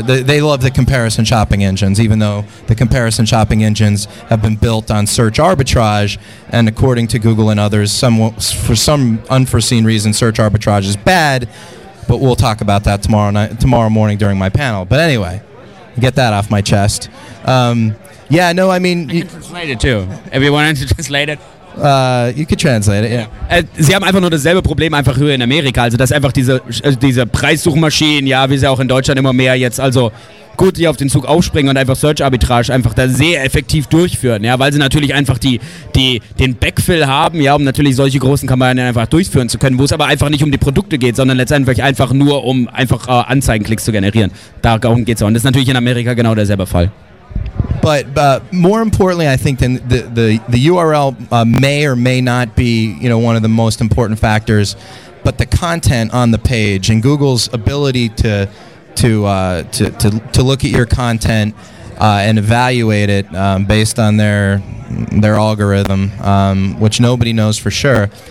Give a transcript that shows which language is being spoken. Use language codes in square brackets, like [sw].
[en] They love the comparison shopping engines, even though the comparison shopping engines have been built on search arbitrage, and according to Google and others, for some unforeseen reason, search arbitrage is bad, but we'll talk about that tomorrow morning during my panel. But anyway, get that off my chest. I can translate it too. If you want to translate it, You could translate it, yeah. [de] Sie haben einfach nur dasselbe Problem, einfach höher in Amerika. Also dass einfach diese Preissuchmaschinen, ja, wie sie auch in Deutschland immer mehr jetzt, also gut, die auf den Zug aufspringen und einfach Search Arbitrage einfach da sehr effektiv durchführen, ja, weil sie natürlich einfach den Backfill haben, ja, um natürlich solche großen Kampagnen einfach durchführen zu können, wo es aber einfach nicht um die Produkte geht, sondern letztendlich einfach nur um einfach Anzeigenklicks zu generieren. Darum geht es auch. Und das ist natürlich in Amerika genau derselbe Fall. [en] But more importantly, I think then the URL may or may not be, you know, one of the most important factors, but the content on the page and Google's ability to look at your content and evaluate it based on their algorithm, which nobody knows for sure.